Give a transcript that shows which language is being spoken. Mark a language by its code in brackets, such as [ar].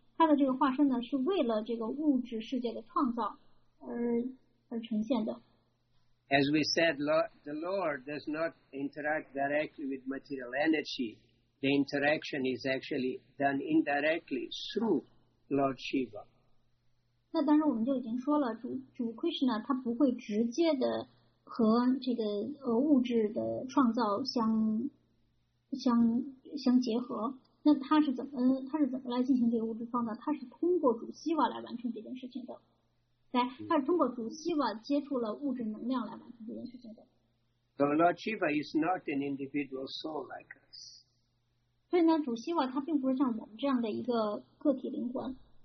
[zh] 他的这个化身呢，是为了这个物质世界的创造而呈现的。 [en] As we said, the Lord does not interact directly with material energy. The interaction is actually done indirectly through Lord Shiva. [zh] 那当然我们就已经说了，主 Krishna 他不会直接的和这个物质的创造相结合。那他是怎么来进行这个物质创造？他是通过主 Shiva 来完成这件事情的。来，他是通过主 Shiva 接触了物质能量来完成这件事情的。 [en] So Lord Shiva is not an individual soul like us. [zh] 所以呢，主希瓦他并不是像我们这样的一个个体灵魂。